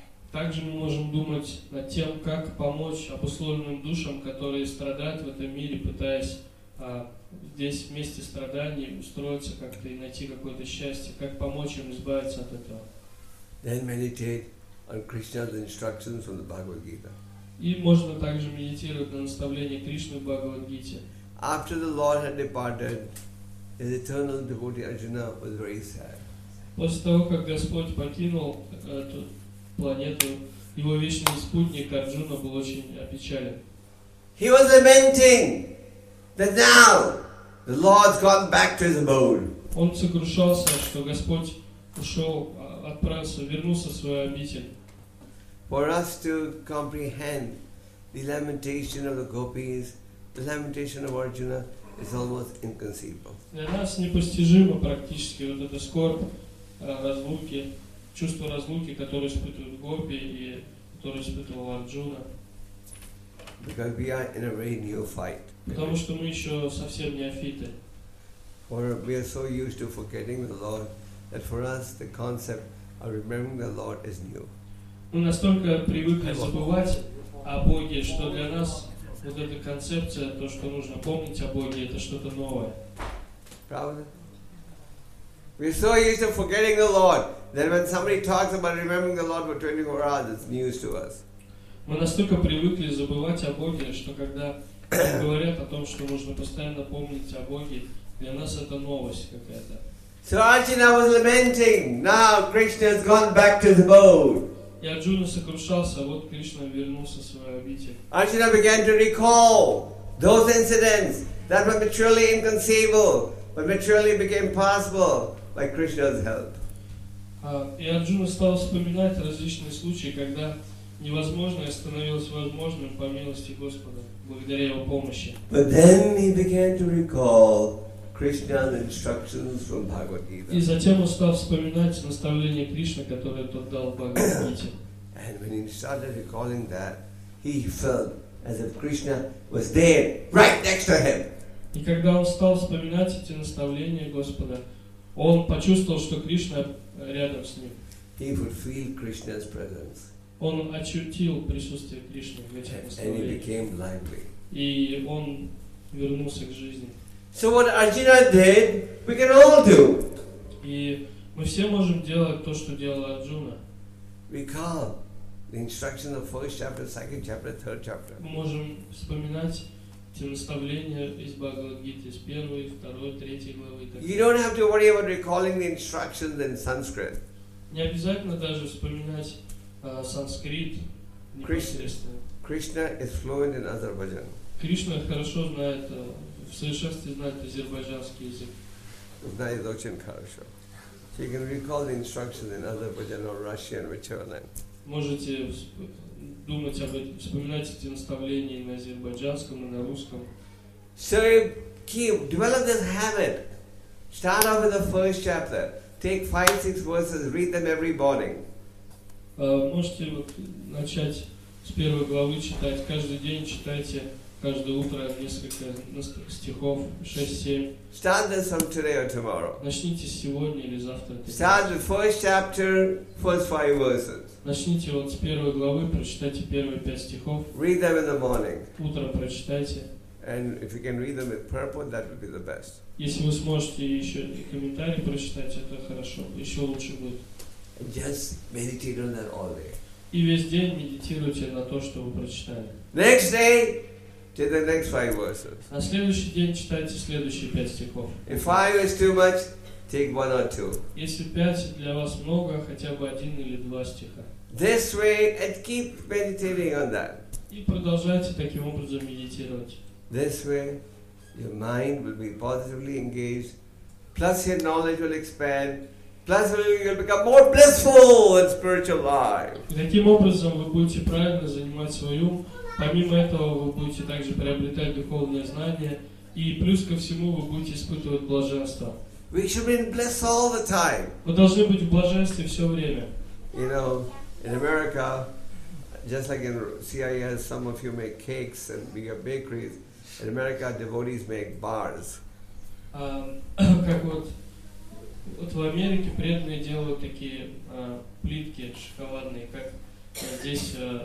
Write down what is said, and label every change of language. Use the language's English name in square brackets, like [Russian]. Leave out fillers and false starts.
[Russian] Также мы можем думать над тем, как помочь обусловленным душам, которые страдают в этом мире, пытаясь здесь вместе страданий устроиться как-то и найти какое-то счастье, как помочь им избавиться от этого. [English] Then meditate on Krishna's instructions from the Bhagavad Gita. [Russian] И можно также медитировать на наставления Кришны в Бхагавад-гите. [English] After the Lord had departed, His eternal devotee Arjuna was very sad. [Russian] После того, как Господь покинул эту планету, его вечный спутник Арджуна был очень опечален. [English] He was lamenting that now the Lord's gone back to his abode. [Russian] Он сокрушался, что Господь ушел, отправился, вернулся в свою обитель. [English] For us to comprehend the lamentation of the gopis, the lamentation of Arjuna is almost inconceivable. [Russian] Для нас непостижимо практически вот эта скорбь, разлуки, чувство разлуки, которое испытывают гопи и которое испытывал Арджуна. [English] Because we are in a very new fight. [Russian] Потому что мы еще совсем не афиты. [English] Or we are so used to forgetting the Lord that for us the concept of remembering the Lord is new. [Russian] Мы настолько привыкли забывать о Боге, что для нас вот эта концепция, то, что нужно помнить о Боге, это что-то новое. Правда? [English] We are so used to forgetting the Lord that when somebody talks about remembering the Lord for 24 hours, it's news to us. [Russian] Мы настолько привыкли забывать о Боге, что когда говорят о том, что нужно постоянно помнить о Боге, для нас это новость какая-то. [English] So Arjuna was lamenting, now Krishna has gone back to the abode. [Russian] И Арджуна сокрушался, вот Кришна вернулся в свою обитель. [English] Arjuna began to recall those incidents that were materially inconceivable, but materially became possible by Krishna's help. [Russian] И Арджуна стал вспоминать различные случаи, когда невозможное становилось возможным по милости Господа, благодаря Его помощи. [English] But then he began to recall Krishna's instructions from Bhagavad Gita. [Russian] И затем он стал вспоминать наставления Кришны, которые тот дал в Бхагавад Гите. [English] And when he started recalling that, he felt as if Krishna was there, right next to him. [Russian] И когда он стал вспоминать эти наставления Господа, он почувствовал, что Кришна рядом с ним. [English] He would feel Krishna's presence. [Russian] Он ощутил присутствие Кришны в этих наставлениях. [English] And he became lively. [Russian] И он вернулся к жизни. [English] So what Arjuna did, we can all do. [Russian] И мы все можем делать то, что делал Арджуна. [English] Recall the instructions of first chapter, second chapter, third chapter. [Russian] Мы можем вспоминать те наставления из Бхагавад-гиты, из первой, второй, третьей главы. [English] You don't have to worry about recalling the instructions in Sanskrit. [Russian] Не обязательно даже вспоминать санскрит. [English] Krishna is fluent in Azerbaijan. [Russian] Кришна хорошо знает, в совершенстве знает азербайджанский язык. Знает очень хорошо. [English] He can recall the instructions in Azerbaijan or Russian, whichever language. [Russian] Можете думать об этом, вспоминать эти наставления на азербайджанском и на русском. [English] So keep develop this habit. Start off with the first chapter. Take 5-6 verses, read them every morning. [Russian] Можете начать с первой главы читать. Каждый день читайте. Каждое утро несколько стихов, 6-7. [English] Start this from today or tomorrow. [Russian] Начните сегодня или завтра. [English] Start the first chapter, first 5 verses. [Russian] Начните вот с первой главы, прочитайте первые 5 стихов. [English] Read them in the morning. [Russian] Утро прочитайте. [English] And if you can read them with purport, that would be the best. [Russian] Если вы сможете еще и комментарии прочитать, это хорошо, еще лучше будет. [English] And just meditate on that all day. [Russian] И весь день медитируйте на то, что вы прочитали. [English] Next day. To the next 5 verses. [Russian] На следующий день читайте следующие 5 стихов. [English] If 5 is too much, take 1 or 2. [Russian] Если 5 для вас много, хотя бы 1 или 2 стиха. [English] This way and keep meditating on that. [Russian] И продолжайте таким образом медитировать. [English] This way your mind will be positively engaged, plus your knowledge will expand, plus you'll become more blissful in spiritual life. [Russian] И таким образом вы будете правильно занимать свою. Помимо этого, вы будете также приобретать духовные знания, и плюс ко всему, вы будете испытывать блаженство. [English] We should be blessed all the time. [Russian] Вы должны быть в блаженстве все время. [English] You know, in America, just like in CIS, some of you make cakes and we have bakeries. In America, devotees make bars. [Russian] Как вот в Америке преданные делают такие плитки шоколадные, как здесь.